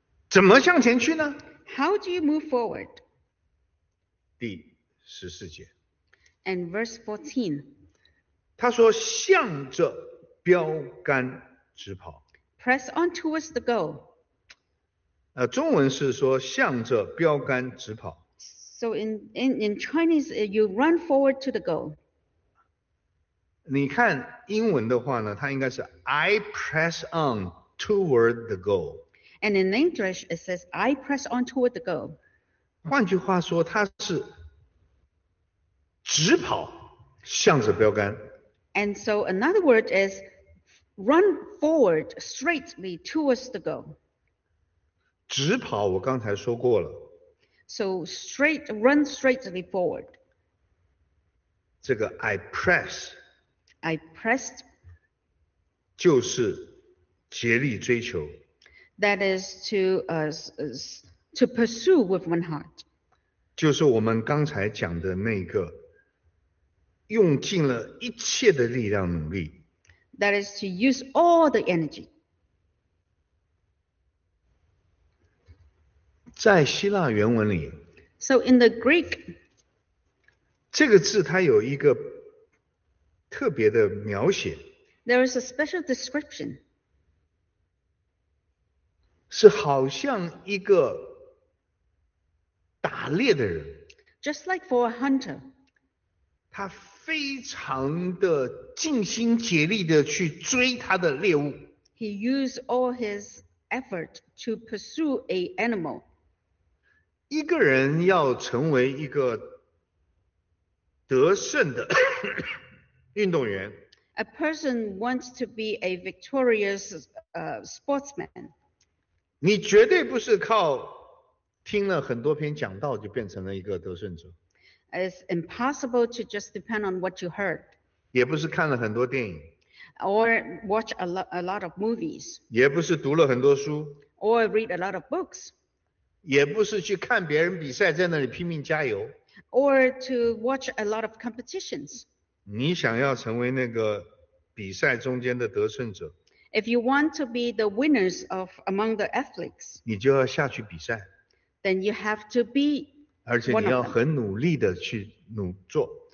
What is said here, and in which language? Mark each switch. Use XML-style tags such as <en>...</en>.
<zh>怎么向前去呢？</zh> <en>How do you move forward?</en> <zh>第十四节。</zh> <en>And verse 14.</en> <zh>他说向着标杆直跑。</zh> <en>Press on towards the goal.</en> <zh>中文是说向着标杆直跑。</zh> <en>So in Chinese, you run forward to the goal.</en> <zh>你看英文的话呢，它应该是</zh> <en>I press on toward the goal. And in English, it says I press on toward the goal.</en> <zh>换句话说，它是直跑向着标杆。</zh> <en>And so another word is run forward straightly towards the goal.</en> <zh>直跑我刚才说过了。</zh> <en>So straight, run straightly forward.</en> <zh>这个</zh> <en>I press, I pressed,</en> <zh>就是竭力追求。</zh> <en>That is to pursue with one heart.</en> <zh>就是我们刚才讲的那个用尽了一切的力量努力。</zh> <en>That is to use all the energy.</en> <zh>在希腊原文里，</zh> <en>So in the Greek,</en> <zh>这个字它有一个特别的描写。</zh> <en>There is a special description.</en> <zh>是好像一个打猎的人。</zh> <en>Just like for a hunter.</en> <zh>他非常的尽心竭力的去追他的猎物。</zh> <en>He used all his effort to pursue an animal.</en> <zh>一个人要成为一个得胜的运动员。</zh> <en>A person wants to be a victorious sportsman.</en> <zh>你绝对不是靠听了很多篇讲道就变成了一个得胜者。</zh> <en>It's impossible to just depend on what you heard.</en> <zh>也不是看了很多电影。</zh> <en>Or watch a lot of movies.</en> <zh>也不是读了很多书。</zh> <en>Or read a lot of books.</en> <zh>也不是去看别人比赛在那里拼命加油。</zh> <en>Or to watch a lot of competitions.</en> <zh>你想要成为那个比赛中间的得胜者。</zh> <en>If you want to be the winners of among the athletes.</en> <zh>你就要下去比赛。</zh> <en>Then you have to be.</en> <zh>而且你要很努力的去努做。</zh>